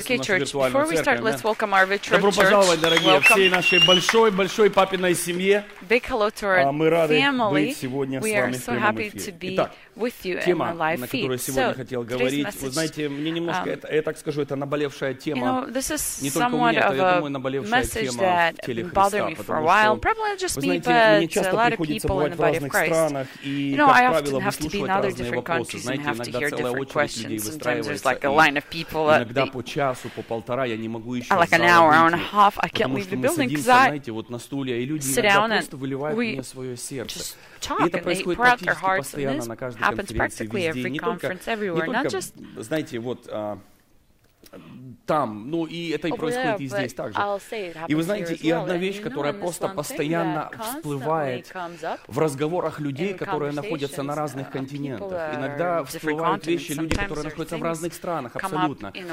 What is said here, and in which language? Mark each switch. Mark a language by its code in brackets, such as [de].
[en] Okay, church, before we start, let's welcome our virtual church. [ru] Добро пожаловать, дорогие, всей нашей большой-большой папиной семье. [en] Big hello to our family. [ru] Мы рады быть сегодня с вами в прямом эфире. [en] We are so happy to be with you in our live feed. [ru] Тема, о которой сегодня хотел говорить. Вы знаете, мне немножко, я так скажу, это наболевшая тема. [en] You know, this is somewhat of a message that bothered me for a while. Probably just me, but a lot of people in the body of Christ. You know, I often have to be in other different countries and have to hear different questions. Sometimes there's like a line of people that [ru] иногда по часу, по полтора, я не могу еще [en] like an hour, hour and a half, I can't leave the building because I sit down and we just talk and they pour out their hearts and this happens [ru] практически [en] every conference, everywhere, not just [ru] знаете, вот, там, ну и это и происходит [en] there, [ru] и здесь также. И вы знаете, [en] well, [ru] и одна вещь, которая просто постоянно всплывает в разговорах людей, которые находятся на разных континентах. Иногда всплывают вещи, люди, которые находятся в разных странах, абсолютно.